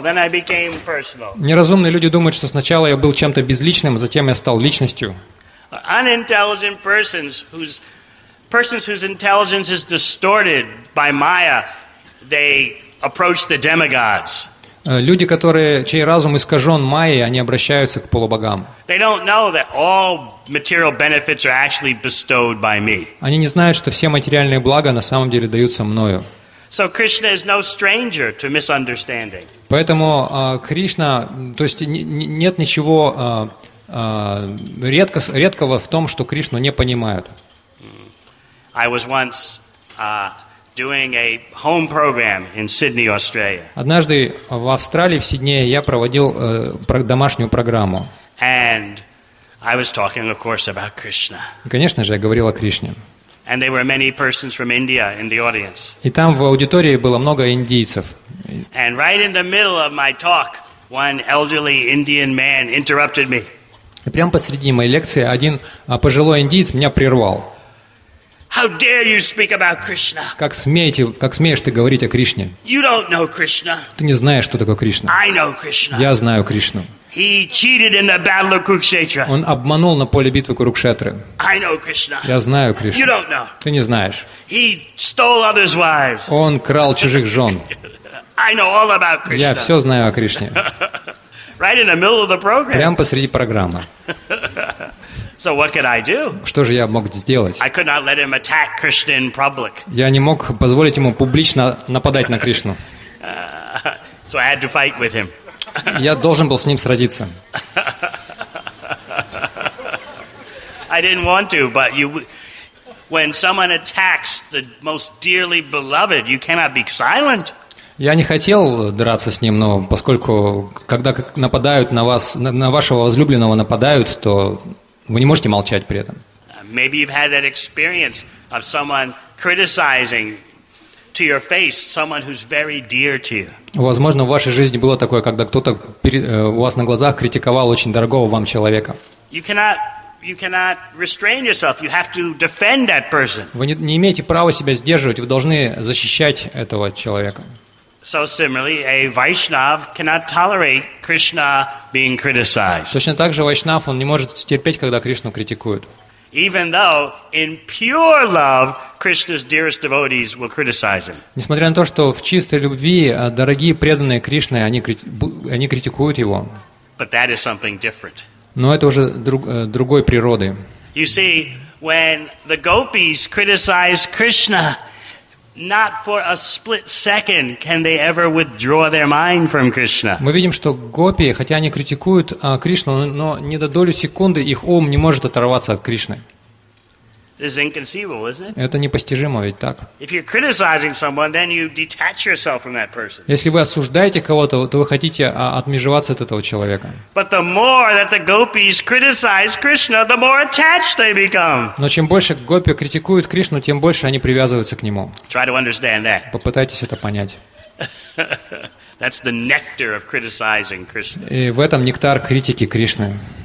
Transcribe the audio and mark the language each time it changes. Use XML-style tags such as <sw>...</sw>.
<ru>Неразумные люди думают, что сначала я был чем-то безличным, затем я стал личностью.</ru> <en>Unintelligent persons whose intelligence is distorted by Maya, they approach the demigods.</en> <ru>Люди, которые чей разум искажен Майей, они обращаются к полубогам.</ru> <en>They don't know that all material benefits are actually bestowed by me.</en> <ru>Они не знают, что все материальные блага на самом деле даются мною.</ru> <en>So Krishna is no stranger to misunderstanding.</en> <ru>Поэтому Кришна, то есть нет ничего редкого в том, что Кришну не понимают.</ru> <en>I was once doing a home program in Sydney, Australia.</en> <ru>Однажды в Австралии, в Сиднее, я проводил домашнюю программу.</ru> <en>And I was talking, of course, about Krishna.</en> <ru>Конечно же, я говорил о Кришне.</ru> <en>And there were many persons from India in the audience.</en> <ru>И там в аудитории было много индийцев.</ru> <en>And right in the middle of my talk, one elderly Indian man interrupted me.</en> <ru>И прямо посреди моей лекции один пожилой индиец меня прервал.</ru> <en>How dare you speak about Krishna?</en> <ru>Как смеешь ты говорить о Кришне?</ru> <en>You don't know Krishna.</en> <ru>Ты не знаешь, что такое Кришна.</ru> <en>I know Krishna.</en> <ru>Я знаю Кришну.</ru> <en>He cheated in the battle of Kurukshetra.</en> <ru>Он обманул на поле битвы Курукшетры.</ru> <en>I know Krishna.</en> <ru>Я знаю Кришну.</ru> <en>You don't know.</en> <ru>Ты не знаешь.</ru> <en>He stole others' wives.</en> <ru>Он крал чужих жен.</ru> <en>I know all about Krishna.</en> <ru>Я все знаю о Кришне.</ru> <en>Right in the middle of the program.</en> <ru>Прямо посреди программы.</ru> <en>So what could I do?</en> <ru>Что же я мог сделать?</ru> <en>I could not let him attack Krishna in public.</en> <ru>Я не мог позволить ему публично нападать на Кришну.</ru> <en>So I had to fight with him.</en> <ru>Я должен был с ним сразиться.</ru> <en>I didn't want to, but you, when someone attacks the most dearly beloved, you cannot be silent.</en> <ru>Я не хотел драться с ним, но поскольку когда нападают на вас, на вашего возлюбленного нападают, то вы не можете молчать при этом.</ru> <en>Maybe you've had that experience of someone criticizing to your face someone who's very dear to you.</en> <ru>Возможно, в вашей жизни было такое, когда кто-то у вас на глазах критиковал очень дорогого вам человека.</ru> <en>You cannot restrain yourself. You have to defend that person.</en> <ru>Вы не имеете права себя сдерживать. Вы должны защищать этого человека.</ru> <en>So similarly, a Vaishnav cannot tolerate Krishna being criticized.</en> <ru>Точно так же Вайшнав, он не может терпеть, когда Кришну критикуют.</ru> <en>Even though in pure love, Krishna's dearest devotees will criticize him.</en> <ru>Несмотря на то, что в чистой любви дорогие преданные Кришны, они критикуют его.</ru> <en>But that is something different.</en> <ru>Но это уже другой природы.</ru> <en>You see, when the gopis criticize Krishna, not for a split second can they ever withdraw their mind from Krishna.</en> <ru>Мы видим, что гопи, хотя они критикуют Кришну, но не до доли секунды их ум не может оторваться от Кришны.</ru> <en>This is inconceivable, isn't it?</en> <ru>Это непостижимо, ведь так.</ru> <en>If you're criticizing someone, then you detach yourself from that person.</en> <ru>Если вы осуждаете кого-то, то вы хотите отмежеваться от этого человека.</ru> <en>But the more that the gopis criticize Krishna, the more attached they become.</en> <ru>Но чем больше гопи критикуют Кришну, тем больше они привязываются к нему.</ru> <en>Try to understand that.</en> <ru>Попытайтесь это понять.</ru> <en>That's the nectar of criticizing Krishna.</en> <ru>И в этом нектар критики Кришны.</ru>